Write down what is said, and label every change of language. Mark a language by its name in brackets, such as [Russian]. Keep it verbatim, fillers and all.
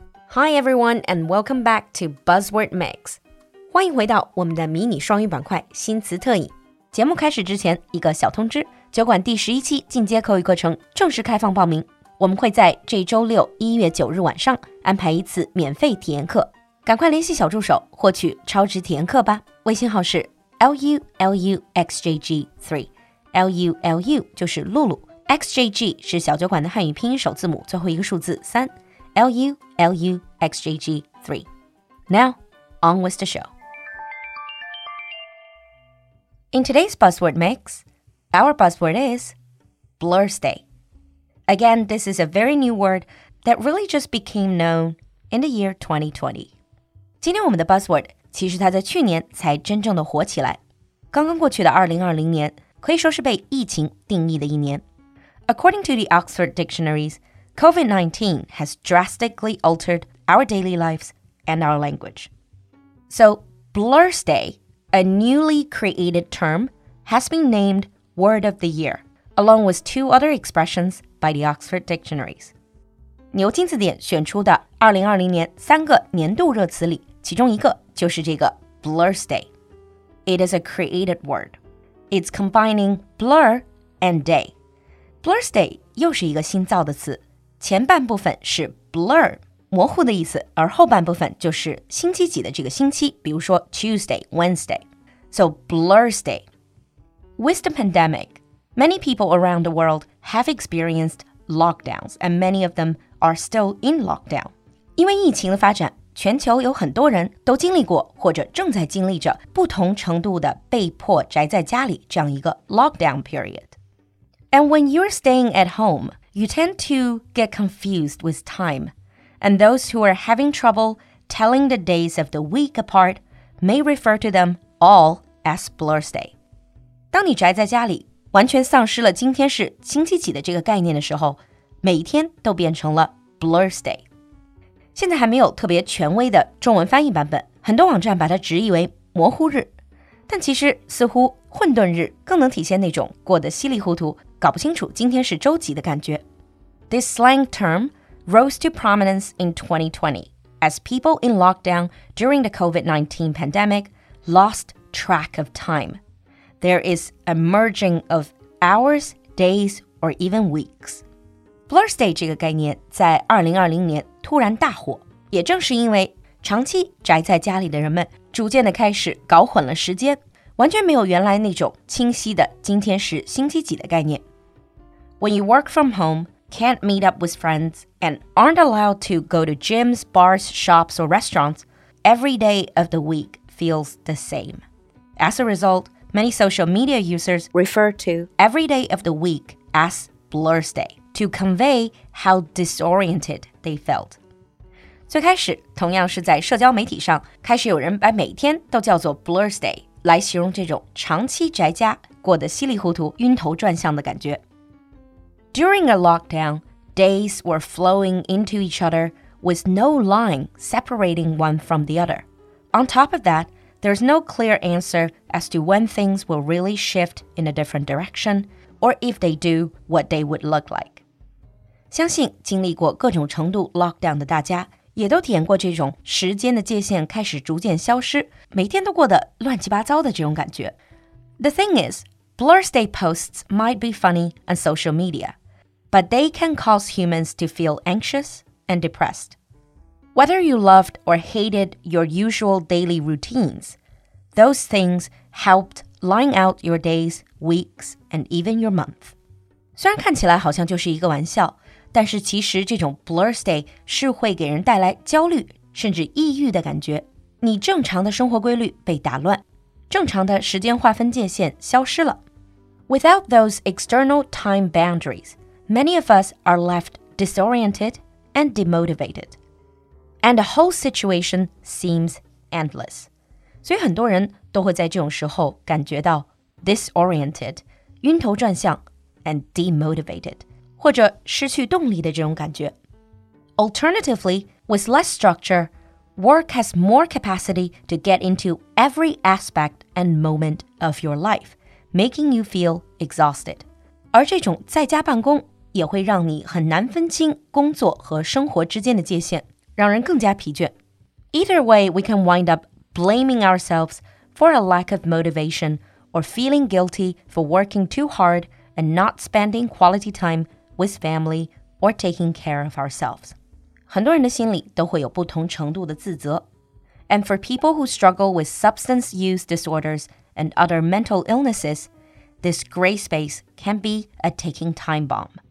[English] Hi everyone and welcome back to Buzzword Mix. [Chinese] 欢迎回到我们的迷你双语板块新词特饮。节目开始之前，一个小通知，酒馆第十一期进阶口语课程正式开放报名。我们会在这周六一月九日晚上安排一次免费体验课。赶快联系小助手获取超值体验课吧。微信号是 L U L U X J G 三 L U L U 就是露露 X J G 是小酒馆的汉语拼音首字母最后一个数字 三 L U L U X J G 三 [English] Now, on with the show. In today's buzzword mix, our buzzword is Blursday. Again, this is a very new word that really just became known in the year twenty twenty. [Chinese] 今天我们的 buzzword 其实它在去年才真正的火起来。刚刚过去的二零二零年可以说是被疫情定义的一年。 [English] According to the Oxford Dictionaries,COVID nineteen has drastically altered our daily lives and our language. So, Blursday, a newly created term, has been named Word of the Year, along with two other expressions by the Oxford Dictionaries. [Chinese] 牛津字典选出的二零二零年三个年度热词里，其中一个就是这个 Blursday. [English] It is a created word. It's combining blur and day. [Chinese] Blursday 又是一个新造的词。前半部分是 blur, 模糊的意思，而后半部分就是星期几的这个星期，比如说 Tuesday, Wednesday. [English] So, Blursday. With the pandemic, many people around the world have experienced lockdowns, and many of them are still in lockdown. [Chinese] 因为疫情的发展，全球有很多人都经历过或者正在经历着不同程度的被迫宅在家里这样一个 [English] lockdown period. And when you're staying at home,You tend to get confused with time, and those who are having trouble telling the days of the week apart may refer to them all as Blursday. [Chinese] 当你宅在家里，完全丧失了今天是星期几的这个概念的时候，每一天都变成了 Blursday. 现在还没有特别权威的中文翻译版本，很多网站把它直译为模糊日，但其实似乎混沌日更能体现那种过得稀里糊涂搞不清楚今天是周几的感觉。 [English] This slang term rose to prominence in twenty twenty as people in lockdown during the COVID nineteen pandemic lost track of time. There is a merging of hours, days, or even weeks. [Chinese] Blursday 这个概念在二零二零年突然大火，也正是因为长期宅在家里的人们逐渐的开始搞混了时间，完全没有原来那种清晰的今天是星期几的概念。 [English] When you work from home, can't meet up with friends, and aren't allowed to go to gyms, bars, shops, or restaurants, every day of the week feels the same. As a result, many social media users refer to every day of the week as Blursday to convey how disoriented they felt. [Chinese] 最开始，同样是在社交媒体上，开始有人把每天都叫做 Blursday，来形容这种长期宅家过得稀里糊涂晕头转向的感觉。 [English] During a lockdown, days were flowing into each other with no line separating one from the other. On top of that, there's no clear answer as to when things will really shift in a different direction, or if they do, what they would look like. [Chinese] 相信经历过各种程度 lockdown 的大家也都体验过这种时间的界限开始逐渐消失，每天都过得乱七八糟的这种感觉。 [English] The thing is, Blursday posts might be funny on social media, but they can cause humans to feel anxious and depressed. Whether you loved or hated your usual daily routines, those things helped line out your days, weeks, and even your month. [Chinese] 虽然看起来好像就是一个玩笑，但是其实这种 Blursday 是会给人带来焦虑甚至抑郁的感觉。你正常的生活规律被打乱，正常的时间划分界限消失了。 [English] Without those external time boundaries, many of us are left disoriented and demotivated. And the whole situation seems endless. [Chinese] 所以很多人都会在这种时候感觉到 disoriented, 晕头转向 [English] and demotivated. [Chinese] 或者失去动力的这种感觉。 [English] Alternatively, with less structure, work has more capacity to get into every aspect and moment of your life, making you feel exhausted. [Chinese] 而这种在家办公也会让你很难分清工作和生活之间的界限，让人更加疲倦。 [English] Either way, we can wind up blaming ourselves for a lack of motivation or feeling guilty for working too hard and not spending quality time with family or taking care of ourselves. [Chinese] 很多人的心里都会有不同程度的自责。 [English] And for people who struggle with substance use disorders and other mental illnesses, this gray space can be a ticking time bomb.